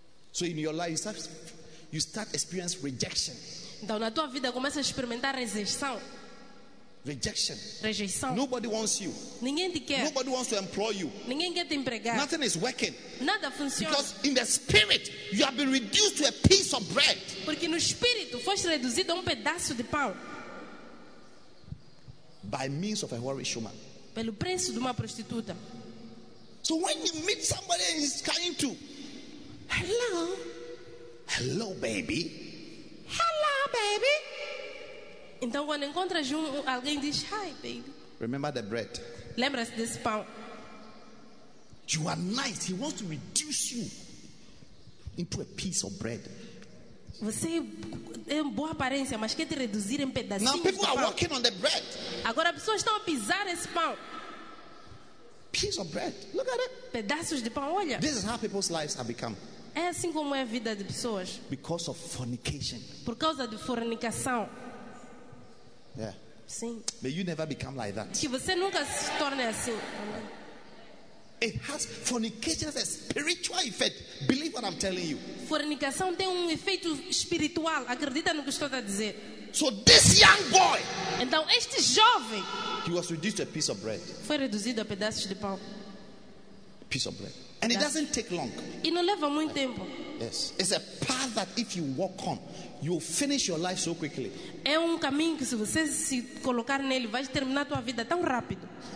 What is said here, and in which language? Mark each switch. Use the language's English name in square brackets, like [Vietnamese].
[English] So in your life you start experience rejection. [Portuguese] Então na tua vida começa a experimentar rejeição. [English] Rejection. [Portuguese] Rejeição. [English] Nobody wants you. [Portuguese] Ninguém te quer. [English] Nobody wants to employ you. [Portuguese] Ninguém quer te empregar. [English] Nothing is working. [Portuguese] Nada funciona. [English] Because in the spirit you have been reduced to a piece of bread. [Portuguese] Porque no espírito foste reduzido a pedaço de pão. [English] By means of a whorish woman. [Portuguese] Pelo preço de uma prostituta. [English] So when you meet somebody and he's coming to, hello, hello baby, hello baby. [Portuguese] Então quando encontras alguém diz [English] hi baby. Remember the bread. [Portuguese] Lembra-se desse pão. [English] You are nice. He wants to reduce you into a piece of bread. [Portuguese] Você é uma boa aparência, mas quer te reduzir em pedacinhos. [English] Now people are walking on the bread. [Portuguese] Agora as pessoas estão a pisar esse pão. [English] Piece of bread. Look at it. [Portuguese] Pedaços de pão, olha. [English] This is how people's lives have become. [Portuguese] É assim como é a vida de pessoas. [English] Because of fornication. [Portuguese] Por causa de fornicação. [English] Yeah. [Portuguese] Sim. [English] May you never become like that. [Portuguese] Que você nunca se torne assim. [English] It has fornication as a spiritual effect. Believe what I'm telling you. [Portuguese] Fornicação tem efeito espiritual. Acredita no que estou a dizer. [English] So this young boy. [Portuguese] Então este jovem. [English] He was reduced to a piece of bread. [Portuguese] Foi reduzido a pedaços de pão. [English] Piece of bread. And it doesn't take long. [Portuguese] E não leva muito tempo. [English] Yes. It's a path that if you walk on, you will finish your life so quickly. [Portuguese] É caminho que se você se colocar nele, vai terminar tua vida tão rápido.